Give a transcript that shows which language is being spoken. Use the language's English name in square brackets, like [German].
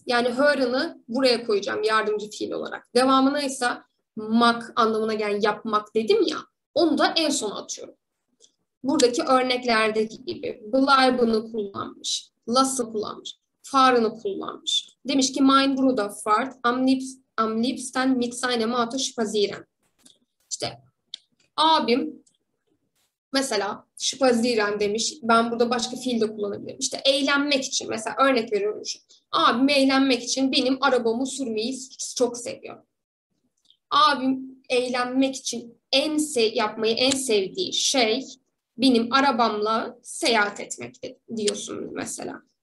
[Turkish] Yani her'ını buraya koyacağım yardımcı fiil olarak. Devamına ise mak anlamına gelen yapmak dedim ya, onu da en sona atıyorum. Buradaki örneklerdeki gibi bleiben'ı kullanmış, lassen'ı kullanmış, fahren'ı kullanmış. Demiş ki [German] mein Bruder fährt am liebsten mit seinem Auto spazieren. [Turkish] İşte abim mesela spazieren demiş. Ben burada başka fiil de kullanabilirim. İşte eğlenmek için mesela örnek veriyorum şu. Abim eğlenmek için benim arabamı sürmeyi çok seviyor. Abim eğlenmek için yapmayı en sevdiği şey benim arabamla seyahat etmek diyorsun mesela.